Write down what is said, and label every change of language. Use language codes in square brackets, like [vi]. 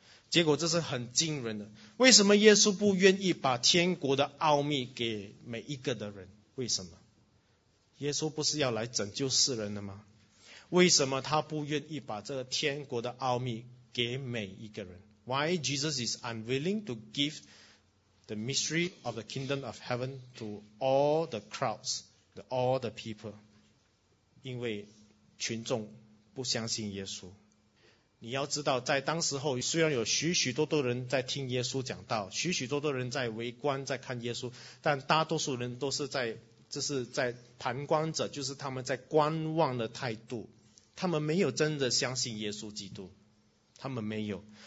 [zh] 结果这是很惊人的，为什么耶稣不愿意把天国的奥秘给每一个的人？为什么耶稣不是要来拯救世人的吗？为什么他不愿意把这个天国的奥秘给每一个人？ [en] Why Jesus is unwilling to give the mystery of the kingdom of heaven to all the crowds, to all the people? [zh] 因为群众不相信耶稣。你要知道，在当时候虽然有许许多多人在听耶稣讲道，许许多多人在围观在看耶稣，但大多数人都是在这是在旁观者，就是他们在观望的态度，他们没有真的相信耶稣基督，他们没有。